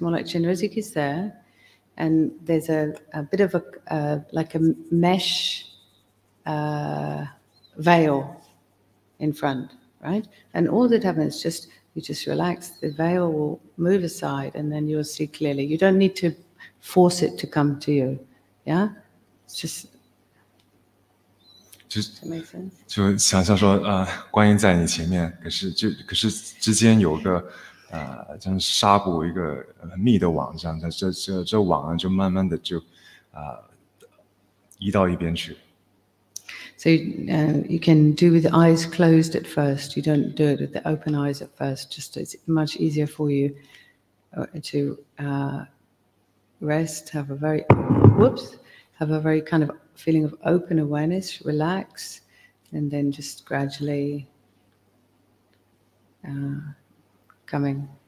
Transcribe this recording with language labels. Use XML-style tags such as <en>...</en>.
<en>It's more like Chenrezig is there, and there's a bit of a mesh veil in front, right? And all that happens just. You just relax, the veil will move aside, and then you'll see clearly. You don't need to force it to come to you. Yeah? It's just... Does that make sense?</en> <zh>就想象说，观音在你前面，可是之间有个，像纱布一个密的网这样的，这网就慢慢的就，移到一边去。</zh> <en>So you can do with the eyes closed at first. You don't do it with the open eyes at first. Just it's much easier for you to rest, have a very kind of feeling of open awareness, relax, and then just gradually coming.</en>